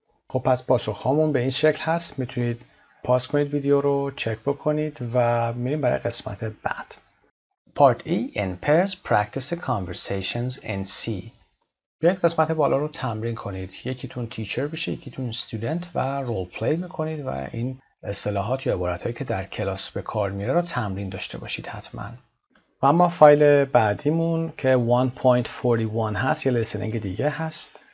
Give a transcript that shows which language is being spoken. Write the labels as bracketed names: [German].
[Persian] خب پس پاسخ هامون به این شکل هست. میتونید پاس کنید ویدیو رو، چک بکنید و میریم برای قسمت بعد. [English] Part E in pairs, practice the conversations and see. [Persian] بیاید قسمت بالا رو تمرین کنید. یکیتون تیچر بشه، یکیتون استودنت و رول پلی میکنید و این اصطلاحات یا عباراتی که در کلاس به کار میره رو تمرین داشته باشید حتما. و اما فایل بعدیمون که 1.41 هست، یه لسنینگ دیگه هست.